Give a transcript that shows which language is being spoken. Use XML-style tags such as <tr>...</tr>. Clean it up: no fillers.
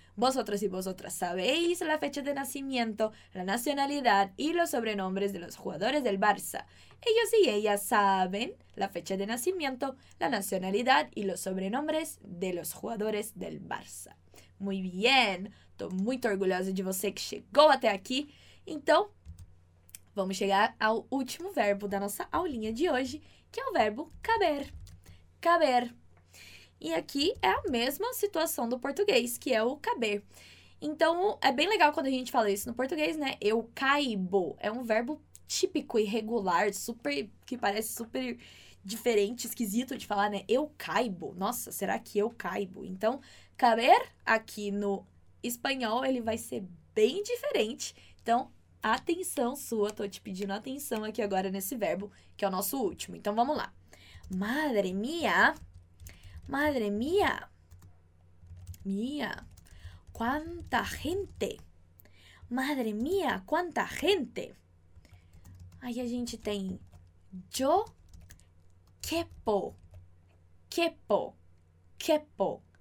<es>Vosotros y vosotras sabéis la fecha de nacimiento, la nacionalidad y los sobrenombres de los jugadores del Barça. Ellos y ellas saben la fecha de nacimiento, la nacionalidad y los sobrenombres de los jugadores del Barça. Muy bien.</es> <pt>Tô muito orgulhosa de você que chegou até aqui. Então, vamos chegar ao último verbo da nossa aulinha de hoje, que é o verbo caber. Caber. E aqui é a mesma situação do português, que é o caber. Então, é bem legal quando a gente fala isso no português, né? Eu caibo. É um verbo típico, irregular, super, que parece super diferente, esquisito de falar, né? Eu caibo. Nossa, será que eu caibo? Então, caber aqui no espanhol, ele vai ser bem diferente. Então, atenção sua. Tô te pedindo atenção aqui agora nesse verbo, que é o nosso último. Então, vamos lá.</pt> <es>Madre mía. Madre mía, mía, cuánta gente, Madre mía,</es> <pt>quanta gente! Aí a gente tem</pt> <es>yo quepo, quepo, quepo.</es>